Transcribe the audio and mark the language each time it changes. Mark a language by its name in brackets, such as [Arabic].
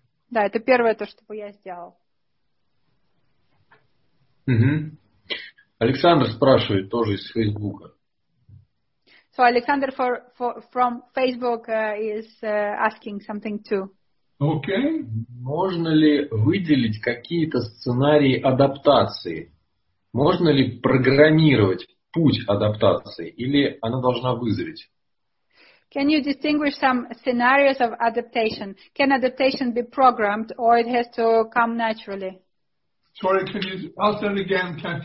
[Russian] Да, это первое то, что бы я сделал. Александр спрашивает тоже из Фейсбука. [English] So Alexander from Facebook is asking something too. Okay. [Russian] Можно ли выделить какие-то сценарии адаптации? Можно ли программировать путь адаптации или она должна вызреть? [English] Can you distinguish some scenarios of adaptation? Can adaptation be programmed or it has to come naturally? Sorry, can you ask that again?